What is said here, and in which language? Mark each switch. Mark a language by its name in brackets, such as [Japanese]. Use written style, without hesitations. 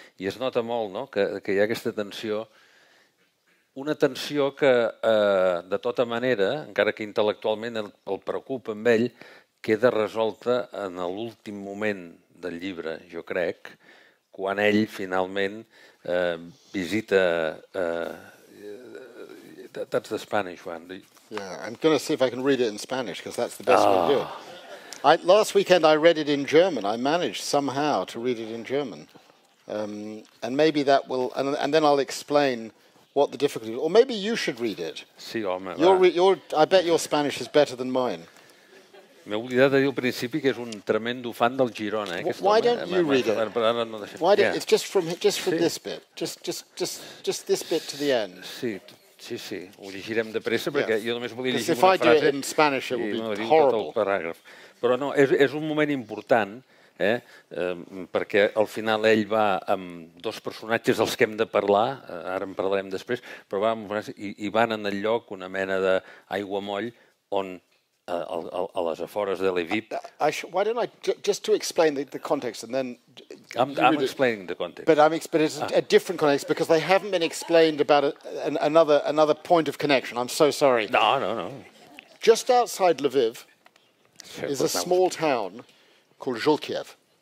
[Catalan] I es nota molt, no?, que hi ha aquesta tensió, una tensió que, de tota manera, encara que intel·lectualment el preocupa amb ell, queda resolta en l'últim moment del llibre, jo crec, quan ell finalment visita [English] that's the Spanish one. Yeah, I'm going to see if I can read it in Spanish because that's the best way to do it. Last weekend I read it in German. I managed somehow to read it in German. And maybe that will and then I'll explain what the difficulty is. Or maybe you should read it. [Catalan] Sí, home, [English] I bet your Spanish is better than mine. [Catalan] M'he oblidat de dir al principi que és un tremendo fan del Girona, aquest [English] home. Why don't you read it? It's just from this bit. Just this bit to the end. [Catalan] Sí. Ho llegirem de pressa perquè jo només volia llegir una frase. [English] Because if I do it in Spanish, it will be horrible. [Catalan] Però no, és un moment important, perquè al final ell va amb dos personatges dels que hem de parlar, ara en parlarem després, però va amb, i van en el lloc, una mena d'aigua moll, on a les afores de l'Evip... [English] Why don't I... Just to explain the context and then... I'm explaining the context. But it's a different context because they haven't been explained about another point of connection. I'm so sorry. No. Just outside Lviv is a small town called Zhulkiev.